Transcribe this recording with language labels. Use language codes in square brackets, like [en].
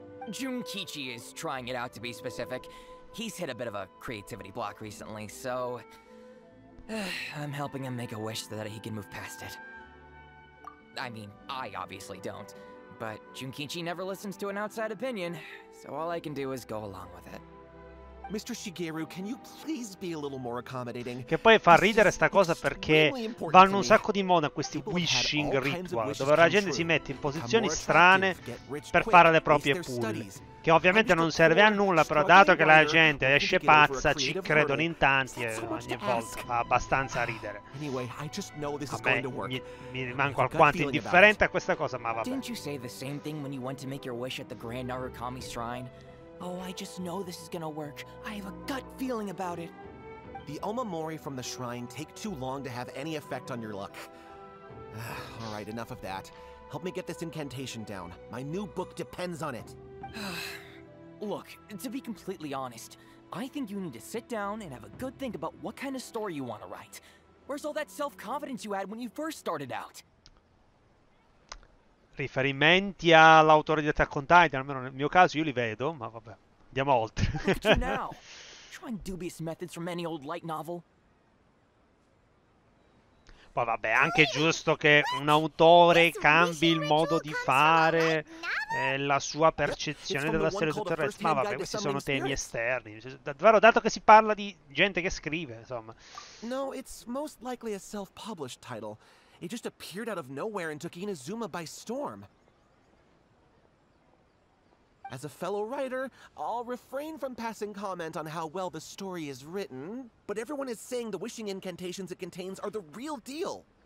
[en] Junkichi is trying it out, to be specific. He's hit a bit of a creativity block recently, so I'm helping him make a wish so that he can move past it. I mean, I obviously don't, but Junkichi never listens to an outside opinion, so all I can do is go along with it. Mr. Shigeru, can you please be a little more accommodating? [it] Che poi fa ridere sta cosa perché vanno un sacco di moda questi wishing ritual, dove la gente si mette in posizioni strane per fare le proprie pull. Che ovviamente non serve a nulla, però dato che la gente esce pazza, ci credono in tanti e ogni volta fa abbastanza ridere. Vabbè, mi rimango alquanto indifferente a questa cosa, ma vabbè. [en] Didn't you say the same thing when you went to make your wish at the Grand Narukami Shrine? Oh, I just know this is gonna work. I have a gut feeling about it. The omamori from the shrine take too long to have any effect on your luck. All right, enough of that. Help me get this incantation down. My new book depends on it. Look, to be completely honest, I think you need to sit down and have a good think about what kind of story you want to write. Where's all that self-confidence you had when you first started out? [it] Riferimenti all'autore di Attack on Titan, almeno nel mio caso io li vedo, ma vabbè, andiamo oltre. [en] Trying dubious methods from any old light novel. [it] Poi vabbè, anche giusto che un autore cambi il modo di fare la sua percezione della storia, tutto il resto, ma vabbè, questi sono temi esterni. Davvero, dato che si parla di gente che scrive, insomma. [en] No, it's most likely a self-published title. It just appeared out of nowhere and took Inazuma by storm. As a fellow writer, I'll refrain from passing comment on how well the story is written, but everyone is saying the wishing incantations it contains are the real deal.